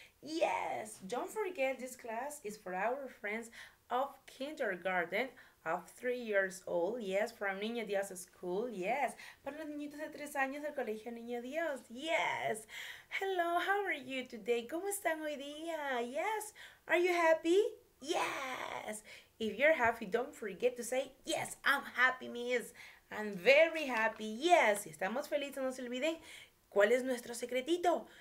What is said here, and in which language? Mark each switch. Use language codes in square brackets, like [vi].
[en] Yes, don't forget this class is for our friends of kindergarten of 3 years old. Yes, from Niño Dios School. [es] Yes, para los niñitos de 3 años del colegio Niño Dios. [en] Yes. Hello, how are you today? ¿Cómo están hoy día? Yes, are you happy? Yes. If you're happy, don't forget to say, yes, I'm happy, miss. I'm very happy. [es] Yes, si estamos felices, no se olviden, ¿cuál es nuestro secretito?